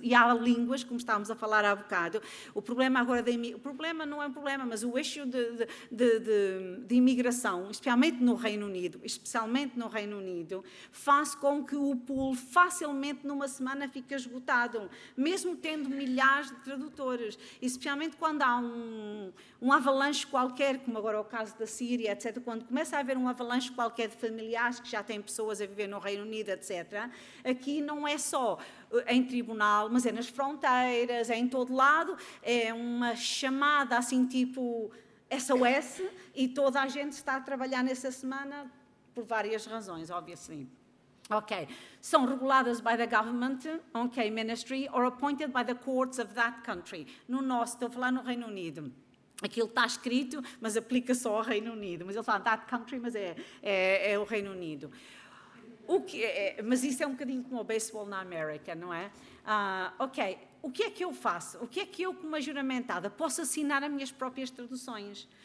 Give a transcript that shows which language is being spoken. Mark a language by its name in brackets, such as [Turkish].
[Portuguese] E há línguas, como estávamos a falar há bocado, o problema agora da imigração, o problema não é um problema, mas o eixo de imigração, especialmente no Reino Unido, faz com que o pool facilmente numa semana fique esgotado, mesmo tendo milhares de tradutores, especialmente quando há um avalanche qualquer, como agora é o caso da Síria, etc., quando começa a haver um avalanche qualquer de familiares que já têm pessoas a viver no Reino Unido, etc., aqui não é só em tribunal, mas é nas fronteiras, é em todo lado, é uma chamada assim tipo SOS e toda a gente está a trabalhar nessa semana por várias razões, obviamente. Ok. São reguladas [English] by the government, ok, ministry, or appointed by the courts of that country. [Portuguese] No nosso, estou a falar no Reino Unido. Aquilo está escrito, mas aplica só ao Reino Unido. Mas ele fala [English] that country, [Portuguese] mas é o Reino Unido. O que é, mas isso é um bocadinho como o baseball na América, não é? Ok. O que é que eu faço? O que é que eu, como juramentada, posso assinar as minhas próprias traduções?